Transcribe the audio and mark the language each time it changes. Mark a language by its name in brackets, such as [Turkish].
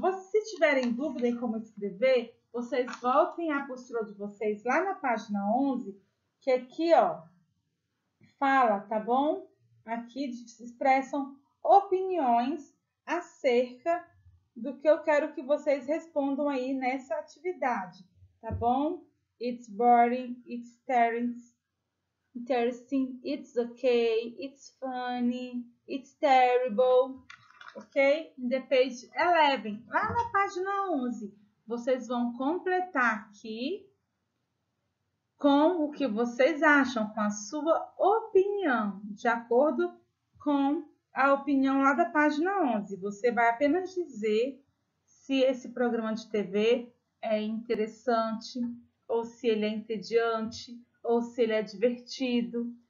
[Portuguese] Se tiverem dúvida em como escrever, vocês voltem à postura de vocês lá na página 11, que aqui, ó, fala, tá bom? Aqui se expressam opiniões acerca do que eu quero que vocês respondam aí nessa atividade, tá bom? [English] It's boring, it's interesting, it's okay, it's funny, it's terrible, ok? In the page 11, [Portuguese] lá na página 11. Vocês vão completar aqui com o que vocês acham, com a sua opinião, de acordo com a opinião lá da página 11. Você vai apenas dizer se esse programa de TV é interessante, ou se ele é entediante, ou se ele é divertido.